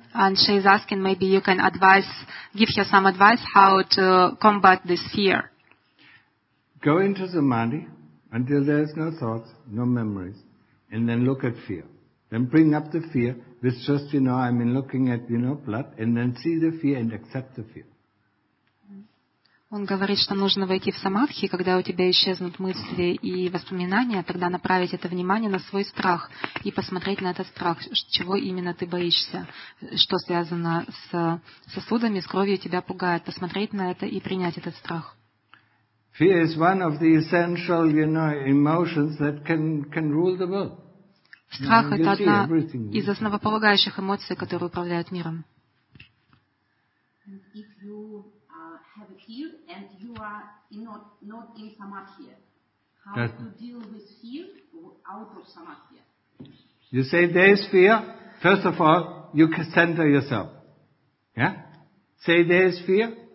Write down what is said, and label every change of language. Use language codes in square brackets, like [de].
[en] And she is asking, maybe you can give her some advice how to combat this fear. Go into the mandi. Until there is no thoughts, no memories, and then look at fear. Then bring up the fear with just, you know, I mean, looking at, you know, blood, and then see the fear and accept the fear. [ru] Он говорит, что нужно войти в самадхи, когда у тебя исчезнут мысли и воспоминания, тогда направить это внимание на свой страх и посмотреть на этот страх, чего именно ты боишься, что связано с сосудами, с кровью тебя пугает, посмотреть на это и принять этот страх. [en] Fear is one of the essential, you know, emotions that can rule the world. [ru] Страх это одна из основополагающих эмоций, которые управляют миром. [en] If you have a fear and you are not in samadhi, how to deal with fear out of samadhi? You say there is fear. First of all, you can center yourself. Yeah? Say there is fear.